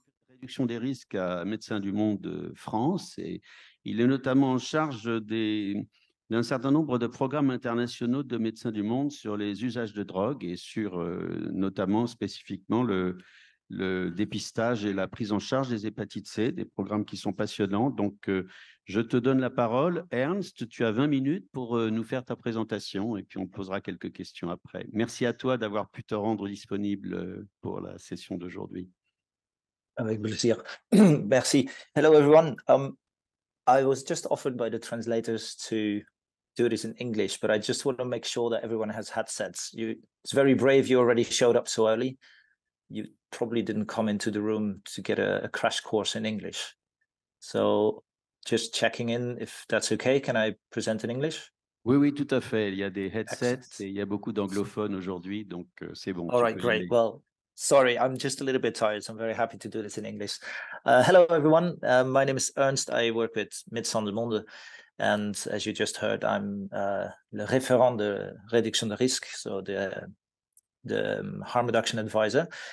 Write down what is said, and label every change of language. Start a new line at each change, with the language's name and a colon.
French: Réduction des risques à Médecins du Monde France. Il est notamment en charge d'un certain nombre de programmes internationaux de Médecins du Monde sur les usages de drogue et sur notamment spécifiquement le dépistage et la prise en charge des hépatites C, des programmes qui sont passionnants. Donc, je te donne la parole. Ernst, tu as 20 minutes pour nous faire ta présentation et puis on posera quelques questions après. Merci à toi d'avoir pu te rendre disponible pour la session d'aujourd'hui. Avec plaisir. Merci.
English: Hello, everyone. I was just offered by the translators to do this in English, but I just want to make sure that everyone has headsets. It's very brave you already showed up so early. You probably didn't come into the room to get a crash course in English. So just checking in, if that's okay, can I present in English?
French: Oui, oui, tout à fait. Il y a des headsets. Excellent. Et il y a beaucoup d'anglophones aujourd'hui, donc c'est bon.
English: All right, great. Aller. Well, sorry, I'm just a little bit tired. So I'm very happy to do this in English. Hello, everyone. My name is Ernst. I work with Médecins du Monde. And as you just heard, I'm
French: le référent de réduction de risque,
English: so the harm reduction advisor.